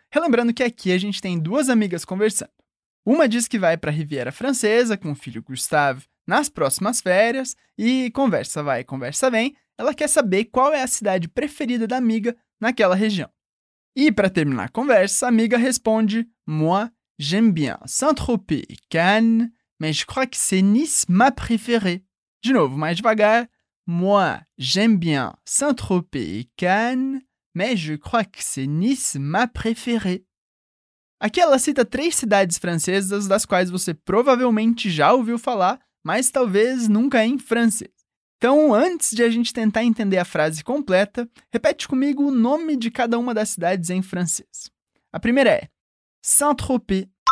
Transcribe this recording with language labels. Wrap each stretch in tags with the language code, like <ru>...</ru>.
<pt>Relembrando que aqui a gente tem duas amigas conversando. Uma diz que vai para a Riviera Francesa com o filho Gustave nas próximas férias e conversa vai, conversa vem. Ela quer saber qual é a cidade preferida da amiga naquela região. E para terminar a conversa, a amiga responde:</pt> <fr>Moi, j'aime bien Saint-Tropez et Cannes, mais je crois que c'est Nice ma préférée.</fr> <pt>De novo, mais devagar.</pt> <fr>Moi, j'aime bien Saint-Tropez et Cannes. Mais je crois que c'est Nice ma préférée.</fr> <pt>Aqui ela cita três cidades francesas das quais você provavelmente já ouviu falar, mas talvez nunca em francês. Então, antes de a gente tentar entender a frase completa, repete comigo o nome de cada uma das cidades em francês. A primeira é Saint-Tropez.</pt>